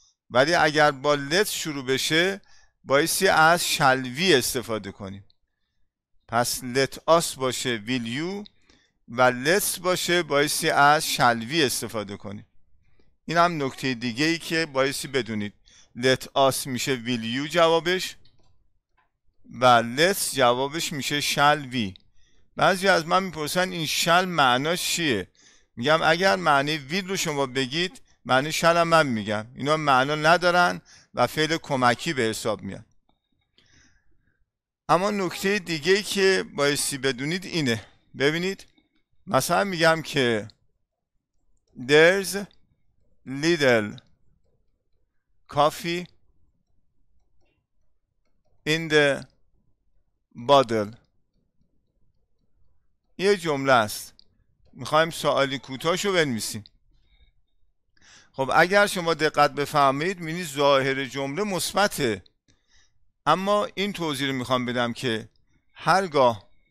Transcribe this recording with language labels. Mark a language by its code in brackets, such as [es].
[fa] ولی اگر با let's شروع بشه، بایستی از shall we استفاده کنیم. پس let us باشه will you، و let's باشه بایستی از shall we استفاده کنیم. این هم نکته دیگه ای که بایستی بدونید. let us میشه will you جوابش، و let's جوابش میشه shall we. بعضی از من میپرسن این shall معناش چیه؟ میگم اگر معنی will رو شما بگید، معنی شل هم من میگم. اینا معنا ندارن و فعل کمکی به حساب میاد. اما نکته دیگه که بایستی بدونید اینه. ببینید، مثلا میگم که [en] there's little coffee in the bottle. [fa] یه جمله است، میخوایم سوالی کوتاهشو بنویسیم. خب اگر شما دقت بفهمید، می‌بینید ظاهر جمله مثبته، اما این توضیح رو می‌خوام بدم که هرگاه